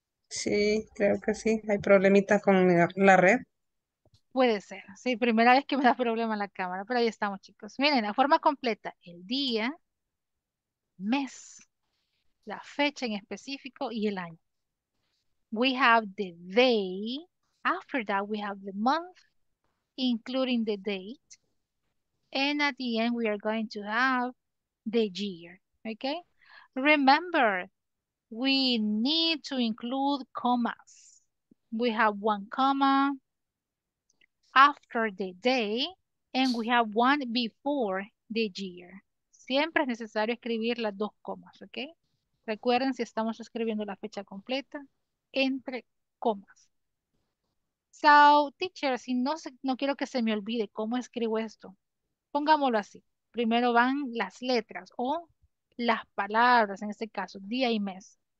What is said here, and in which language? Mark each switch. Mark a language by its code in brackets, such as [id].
[es] Sí, creo que sí. Hay problemitas con la red. Puede ser. Sí, primera vez que me da problema la cámara, pero ahí estamos, chicos. Miren, la forma completa. El día, mes, la fecha en específico y el año. [en] We have the day. After that, we have the month, including the date. And at the end, we are going to have the year. Okay? Remember, we need to include commas. We have one comma after the day and we have one before the year. [es] Siempre es necesario escribir las dos comas, ¿ok? Recuerden si estamos escribiendo la fecha completa entre comas. So, teacher, si no quiero que se me olvide cómo escribo esto, pongámoslo así. Primero van las letras o las palabras, en este caso, día y mes.